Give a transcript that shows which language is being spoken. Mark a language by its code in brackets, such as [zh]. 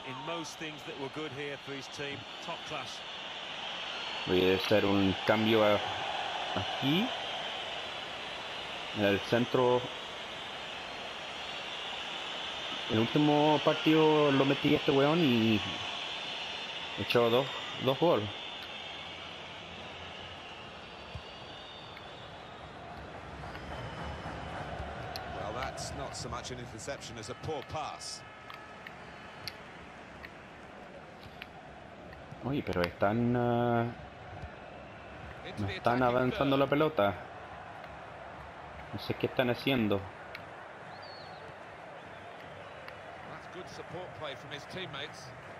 [en] In most things that were good here for his team, top class. [es] Voy a hacer un cambio aquí en el centro. El último partido lo metí este weón y echó dos goles. [en] So much an interception as a poor pass. [es] Oye, pero están no están avanzando la pelota. No sé qué están haciendo. [en] That's good support play from his teammates.